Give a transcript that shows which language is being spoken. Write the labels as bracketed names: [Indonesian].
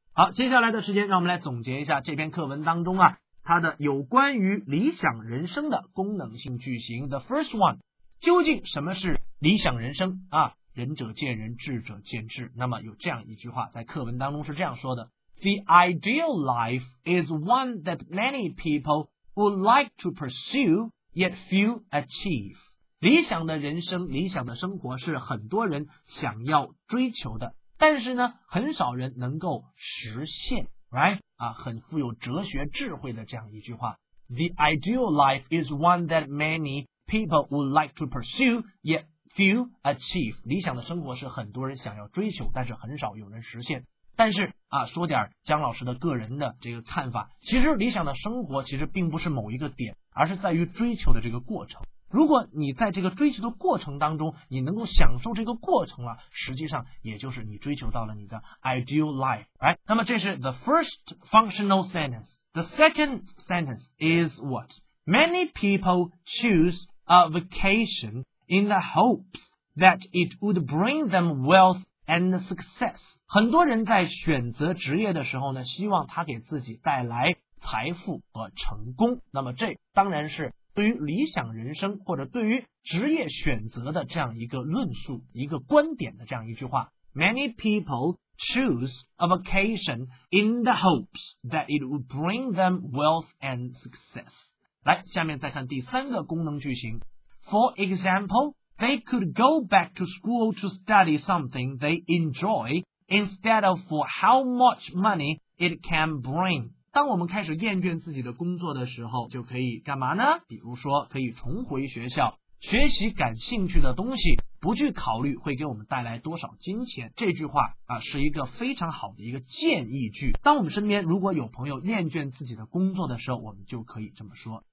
[Chinese] 好，接下来的时间，让我们来总结一下这篇课文当中啊，它的有关于理想人生的功能性句型。 [English] The first one， [Chinese] 究竟什么是理想人生啊？仁者见仁，智者见智。那么有这样一句话，在课文当中是这样说的。 [English] The ideal life is one that many people would like to pursue, yet few achieve. [Chinese] 理想的人生，理想的生活是很多人想要追求的，但是呢，很少人能够实现 ，right? 啊，很富有哲学智慧的这样一句话。 [English] The ideal life is one that many people would like to pursue, yet few achieve. [Chinese] 理想的生活是很多人想要追求，但是很少有人实现。但是啊，说点姜老师的个人的这个看法，其实理想的生活其实并不是某一个点，而是在于追求的这个过程。如果你在这个追求的过程当中，你能够享受这个过程了，实际上也就是你追求到了你的 ideal life， right？那么这是 [English] the first functional sentence. The second sentence is what? Many people choose a vacation in the hopes that it would bring them wealth. And success. [Chinese] 很多人在选择职业的时候呢，希望他给自己带来财富和成功。那么这当然是对于理想人生或者对于职业选择的这样一个论述，一个观点的这样一句话。 [English] Many people choose a vacation in the hopes that it would bring them wealth and success. [Chinese] 来，下面再看第三个功能句型。 [English] For example, they could go back to school to study something they enjoy instead of for how much money it can bring. [Chinese] 当我们开始厌倦自己的工作的时候，就可以干嘛呢？比如说，可以重回学校，学习感兴趣的东西，不去考虑会给我们带来多少金钱。这句话啊，是一个非常好的一个建议句。当我们身边如果有朋友厌倦自己的工作的时候，我们就可以这么说。